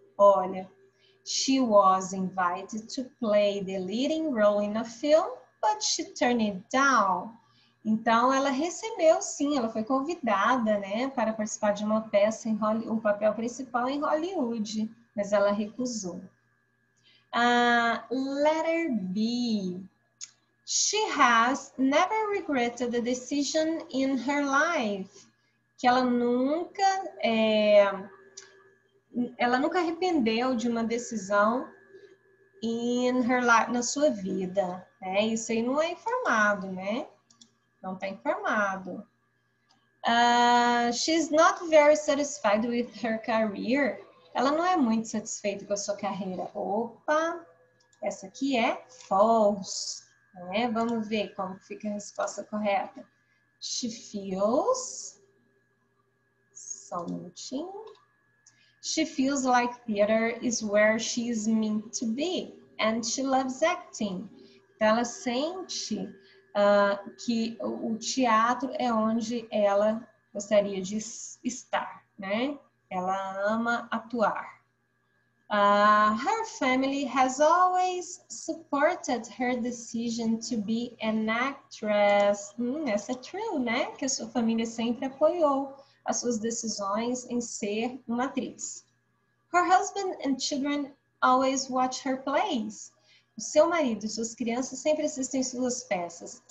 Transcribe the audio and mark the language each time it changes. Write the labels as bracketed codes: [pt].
[pt] Olha, [en] she was invited to play the leading role in a film, but she turned it down. [pt] Então, ela recebeu, sim, ela foi convidada, né, para participar de uma peça em Hollywood, um papel principal em Hollywood, mas ela recusou. [en] Letter B. She has never regretted the decision in her life. [pt] Que ela nunca arrependeu de uma decisão [en] in her life, [pt] na sua vida, né? Isso aí não é informado, né? Não tá informado. [en] She's not very satisfied with her career. [pt] Ela não é muito satisfeita com a sua carreira. Opa! Essa aqui é false, né? Vamos ver como fica a resposta correta. [en] She feels. [pt] Só um minutinho. [en] She feels like theater is where she's meant to be, and she loves acting. [pt] Então, ela sente que o teatro é onde ela gostaria de estar, né? Ela ama atuar. [en] Her family has always supported her decision to be an actress. [pt] Essa é true, né? Que a sua família sempre apoiou as suas decisões em ser uma atriz. [en] Her husband and children always watch her plays. [pt] O seu marido e suas crianças sempre assistem suas peças.